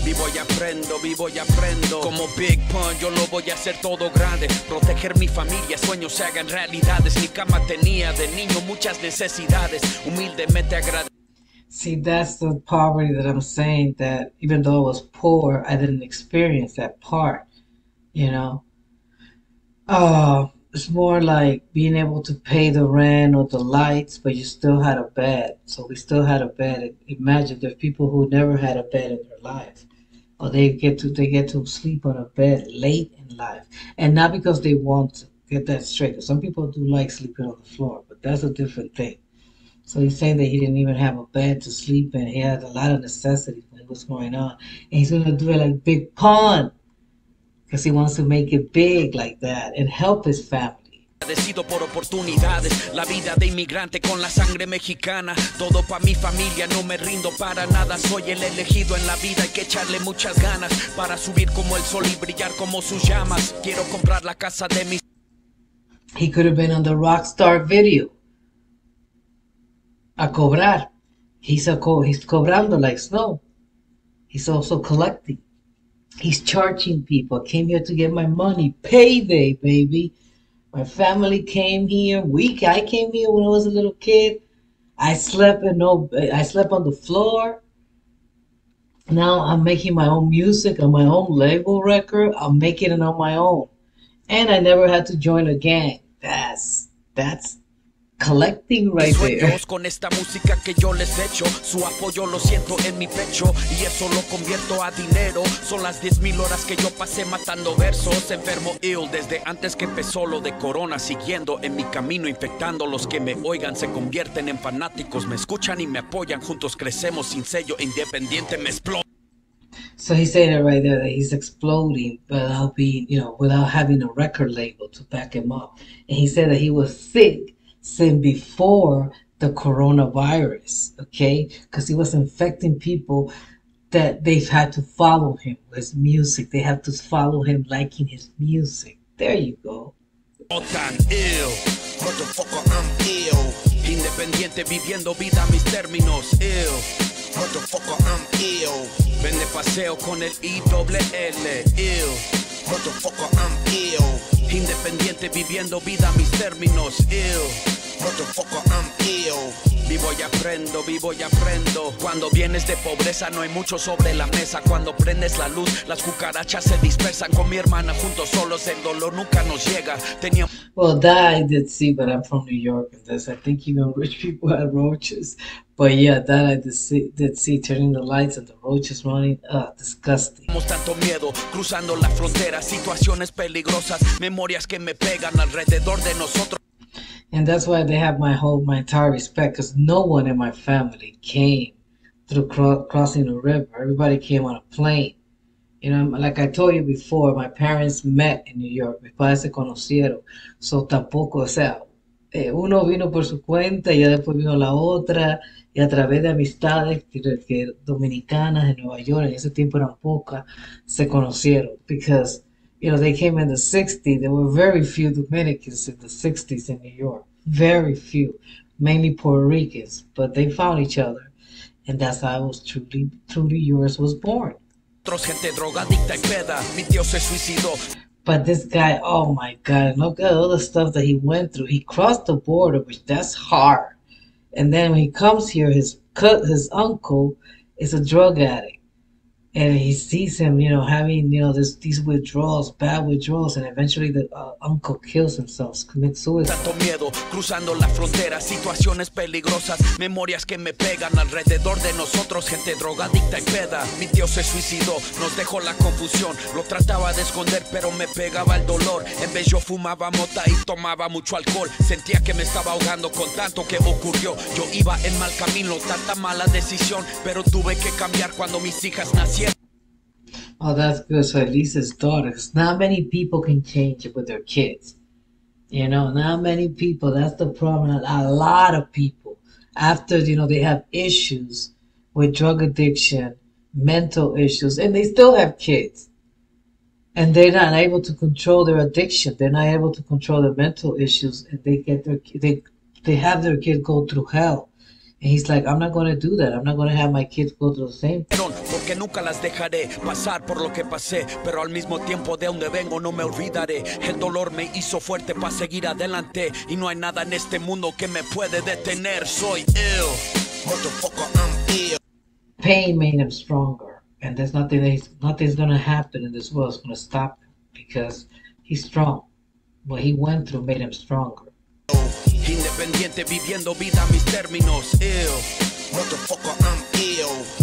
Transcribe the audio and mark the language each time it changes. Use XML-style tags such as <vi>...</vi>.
<es>Vivo y aprendo, como Big Pun, yo lo voy a hacer todo grande, proteger mi familia, sueños se hagan realidades, mi cama tenía de niño muchas necesidades, humildemente agradezco.</es> <en>See, that's the poverty that I'm saying, that even though I was poor, I didn't experience that part, you know. It's more like being able to pay the rent or the lights, but you still had a bed. So we still had a bed. Imagine, there are people who never had a bed in their life. Or they get to sleep on a bed late in life. And not because they want to, get that straight. Some people do like sleeping on the floor, but that's a different thing. So he's saying that he didn't even have a bed to sleep in. He had a lot of necessities when it was going on. And he's going to do it like Big Pun. Because he wants to make it big like that and help his family.</en> <es>Agradecido por oportunidades, la vida de inmigrante con la sangre mexicana, todo pa' mi familia, no me rindo para nada, soy el elegido en la vida, hay que echarle muchas ganas, para subir como el sol y brillar como sus llamas, quiero comprar la casa de mis...</es> <en>He could have been on the Rockstar video,</en> <es>a cobrar,</es> <en>he's cobrando like snow, he's also collecting, he's charging people, I came here to get my money, payday baby. My family came here. I came here when I was a little kid. I slept on the floor. Now I'm making my own music on my own label record. I'm making it on my own. And I never had to join a gang. That's collecting right there.</en> <es>Con esta música que yo les echo, su apoyo lo siento en mi pecho y eso lo convierto a dinero. Son las 10,000 horas que yo pasé matando versos, enfermo ill desde antes que empezó lo de corona, siguiendo en mi camino, infectando los que me oigan, se convierten en fanáticos, me escuchan y me apoyan, juntos crecemos sin sello independiente, me explota.</es> <en>So he said it right there that he's exploding without being, you know, without having a record label to back him up. And he said that he was sick since before the coronavirus, okay? Because he was infecting people that they've had to follow him with his music. They have to follow him liking his music. There you go. Ill. Motherfucker, I'm ill.</en> <es>Independiente viviendo vida mis términos.</es> <en>Ill. Motherfucker, I'm ill.</en> <es>Ven de paseo con el I.L.L.</es> <en>Ill. Motherfucker, I'm ill.</en> <es>Independiente viviendo vida mis términos.</es> <en>Ill. Motherfucker, I'm ill.</en> <es>Vivo y aprendo, vivo y aprendo. Cuando vienes de pobreza no hay mucho sobre la mesa. Cuando prendes la luz, las cucarachas se dispersan. Con mi hermana juntos solos el dolor nunca nos llega.</es> <en>Well, that I did see, but I'm from New York. And this, I think even rich people had roaches. But yeah, that I did see turning the lights and the roaches running. Disgusting.</en> <es>Tenemos tanto miedo cruzando la frontera. Situaciones peligrosas, memorias que me pegan alrededor de nosotros.</es> <en>And that's why they have my entire respect, because no one in my family came through crossing a river. Everybody came on a plane. You know, like I told you before, my parents met in New York.</en> <es>Mis padres se conocieron. So tampoco, o sea, uno vino por su cuenta y después vino la otra. Y a través de amistades que dominicanas de Nueva York, en ese tiempo eran pocas, se conocieron.</es> <en>Because, you know, they came in the 60s. There were very few Dominicans in the 60s in New York. Very few. Mainly Puerto Ricans. But they found each other. And that's how I was truly yours was born. But this guy, oh my God. Look at all the stuff that he went through. He crossed the border, which that's hard. And then when he comes here, his uncle is a drug addict. And he sees him, you know, having, you know, these withdrawals, bad withdrawals, and eventually the uncle kills himself, commits suicide.</en> <es>Tanto miedo, cruzando la frontera, situaciones peligrosas, memorias que me pegan alrededor de nosotros, gente drogadicta y peda. Mi tío se suicidó, nos dejó la confusión, lo trataba de esconder, pero me pegaba el dolor. En vez yo fumaba mota y tomaba mucho alcohol, sentía que me estaba ahogando con tanto que ocurrió. Yo iba en mal camino, tanta mala decisión, pero tuve que cambiar cuando mis hijas nacieron.</es> <en>Oh, that's good. So at least his daughter, because not many people can change it with their kids. You know, not many people. That's the problem. A lot of people, after, you know, they have issues with drug addiction, mental issues, and they still have kids. And they're not able to control their addiction. They're not able to control their mental issues, and they get their they have their kid go through hell. And he's like, I'm not going to do that. I'm not going to have my kids go through the same thing.</en> <es>Porque nunca las dejaré pasar por lo que pasé, pero al mismo tiempo de donde vengo no me olvidaré. El dolor me hizo fuerte para seguir adelante, y no hay nada en este mundo que me puede detener. Soy</es> <en>ill, motherfucker, I'm ill. Pain made him stronger, and there's nothing that nothing's gonna happen in this world is gonna stop him because he's strong. What he went through made him stronger.</en> <es>Independiente viviendo vida a mis términos.</es> <en>Ill, motherfucker, I'm ill.</en>